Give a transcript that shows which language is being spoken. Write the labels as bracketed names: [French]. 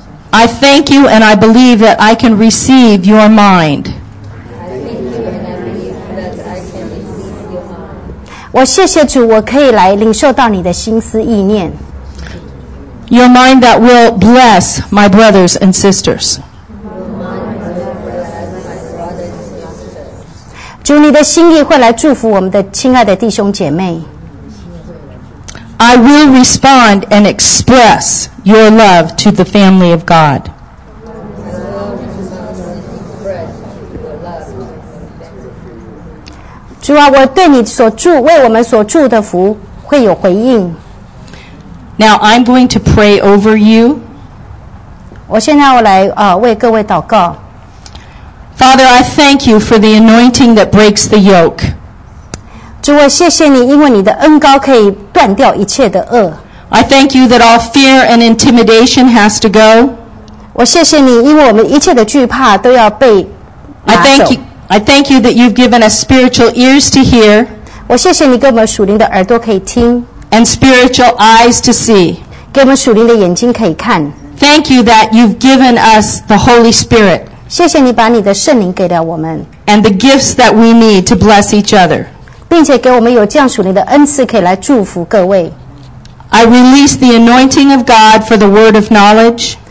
[English] I thank you and I believe that I can receive your mind. [Chinese] 我谢谢主，我可以来领受到你的心思意念。 [English] Your mind that will bless my brothers and sisters. [Chinese] 主，你的心意会来祝福我们的亲爱的弟兄姐妹。 [English] I will respond and express your love to the family of God. [Chinese] 主啊，我对你所住，为我们所住的福会有回应。 [English] Now I'm going to pray over you. [Chinese] 我现在我来为各位祷告。 [English] Father, I thank you for the anointing that breaks the yoke. [Chinese] 主啊，谢谢你，因为你的恩膏可以断掉一切的恶。 [English] I thank you that all fear and intimidation has to go. [Chinese] 我谢谢你，因为我们一切的惧怕都要被拿走。 [English] I thank you that you've given us spiritual ears to hear. [Chinese] 我谢谢你给我们属灵的耳朵可以听。 [English] And spiritual eyes to see. [Chinese] 给我们属灵的眼睛可以看。 [English] Thank you that you've given us the Holy Spirit. [Chinese] 谢谢你把你的圣灵给了我们。 [English] And the gifts that we need to bless each other. [Chinese] 并且给我们有这样属灵的恩赐可以来祝福各位。 [English] I release the anointing of God for the word of knowledge.